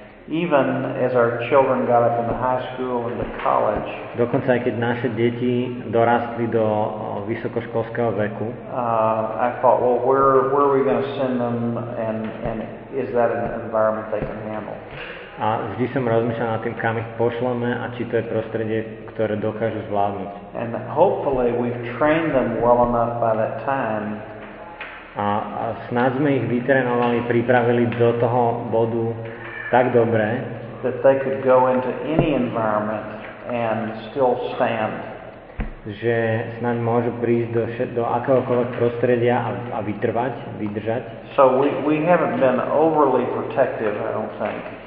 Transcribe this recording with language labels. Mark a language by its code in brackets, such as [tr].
[en] Even as our children got up in the high school and the college. [sk] Dokonca aj keď naše deti dorastli do vysokoškolského veku. [en] I thought, well, where are we going to send them and is that an environment they can handle? [sk] A vždy som rozmýšľal nad tým, kam ich pošleme a či to je prostredie, ktoré dokážu zvládnuť. [en] And hopefully we've trained them well enough by that time. [sk] A snáď sme ich vytrénovali, pripravili do toho bodu tak dobre, [en] that they could go into any environment and still stand. [sk] Že snáď môžu prísť do akéhokoľvek prostredia a vytrvať, vydržať. [en] So we haven't been overly protective, I don't think.